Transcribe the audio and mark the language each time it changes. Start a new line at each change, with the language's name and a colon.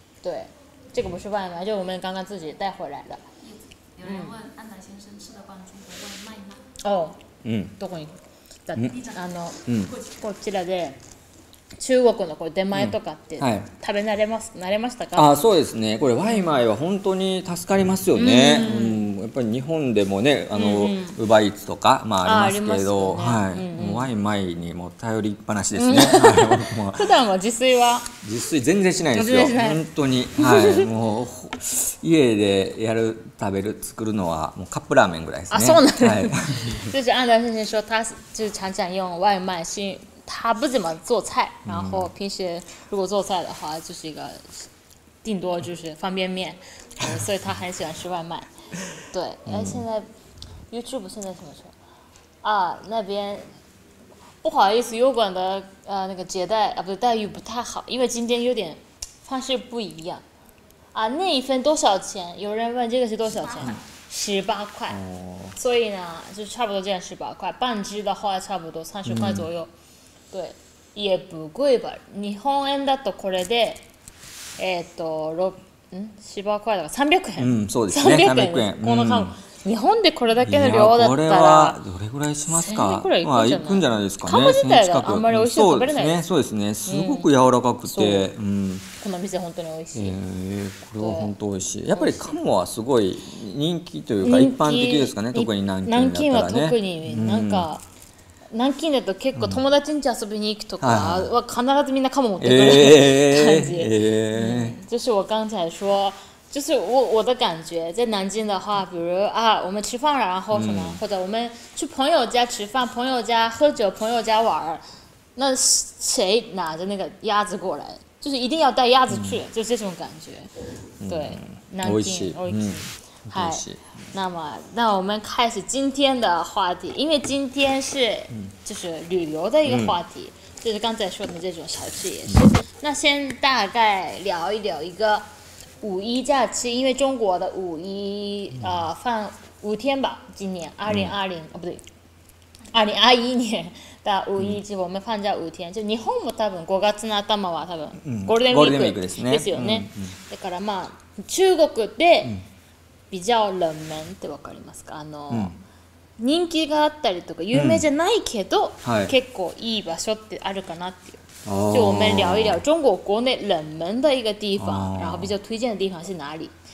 Chinese: 对，这个不是外卖，就是我们刚刚自己带回来的。有人问安达先生吃的关注和外卖吗？哦，嗯，
Japanese: どこに？だ、あの、こちらで。中国のこう出前とかって、食べ慣れます、慣れましたか？あ、そうですね。これワイマイは本当に助かりますよね。うんうん、やっぱり日本でもね、あの、ウーバーイーツとか、まあ、ありますけど、ね、はい、うんうん、ワイマイにも頼りっぱなしですね。うん、普段は自炊は？自炊全然しないですよ。本当に、はい、もう家でやる、食べる、作るのはもうカップラーメンぐらいですね。あ、そうなんですか。
Chinese: 就是安达先生说，他就是常常用外卖，是。他不怎么做菜，然后平时如果做菜的话，就是一个顶多就是方便面，所以他很喜欢吃外卖。对，哎，现在 YouTube 现在什么时候？啊，那边不好意思，优管的那个接待啊，不是待遇不太好，因为今天有点方式不一样。啊，那一份多少钱？有人问这个是多少钱？18块。哦。所以呢，就差不多这样，18块，半只的话差不多30块左右。嗯，对，也不贵吧。
Japanese: 日本円だとこれで、
Chinese: 18块
Japanese: だから300円。うん、そうですね。300円。この単、日本でこれだけの量だったら、これはどれぐらいしますか。 1000円くらい行くんじゃないですかね。カモ自体があんまり美味しいと食べれない。そうですね、そうですね。すごく柔らかくて、うん、この店本当に美味しい。これは本当美味しい。やっぱりカモはすごい人気というか一般的ですかね。特に南京だったらね。南京は特になんか。南京だと結構友達ん家遊びに行くとかは必ずみんなカモ持ってくる、感じ。
Chinese: 就是我刚才说，就是我的感觉，在南京的话，比如啊，我们吃饭了，然后什么，或者我们去朋友家吃饭，朋友家喝酒，朋友家玩，那谁拿着那个鸭子过来，就是一定要带鸭子去，就这种感觉。对，南京，好吃。那么，那我们开始今天的话题，因为今天是就是旅游的一个话题，就是刚才说的这种小吃也是。那先大概聊一聊一个五一假期，因为中国的五一放5天吧，今年2020啊，不对，2021年的五一就我们放假5天，
Japanese: 就日本も多分5月の頭は多分ゴールデンウィークですよね。だからまあ中国で。
Chinese: 比较冷门
Japanese: ってわかりますか？あの、人気があったりとか有名じゃないけど、結構いい場所ってあるかなっていう。
Chinese: 就我们聊一聊中国国内冷门的一个地方，然后比较推荐的地方是哪里？